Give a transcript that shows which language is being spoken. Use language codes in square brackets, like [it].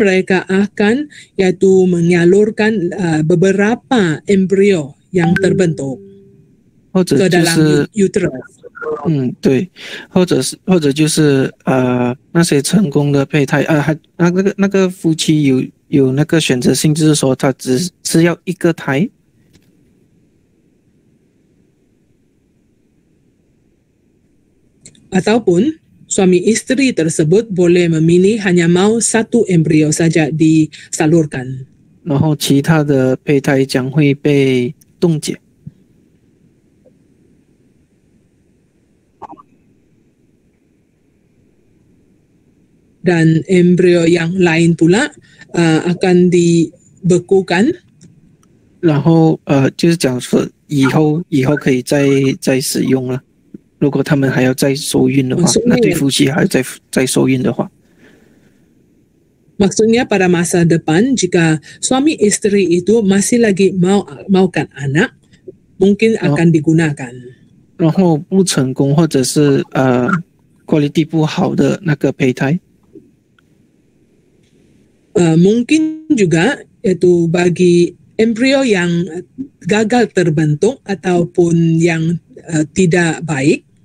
[ms] mereka akan yaitu menyalurkan beberapa embrio yang terbentuk ke dalam uterus. [zh] 对，或者就是那些成功的胚胎，那个夫妻有那个选择性，就是说他只要一个胎。 [ms] Ataupun suami istri tersebut boleh memilih hanya mau satu embrio saja disalurkan. [zh] 然后其他的胚胎将会被冻结。 [ms] Dan embrio yang lain pula akan dibekukan. [zh] 然后就是讲说以后可以再使用了。如果他们还要再受孕的话，那对夫妻还要再受孕的话。 [ms] Maksudnya pada masa depan jika suami istri itu masih lagi maukan anak, mungkin akan digunakan. [zh] 然后不成功或者是quality 不好的那个胚胎。 [ms] Mungkin juga itu bagi embrio yang gagal terbentuk ataupun yang tidak baik.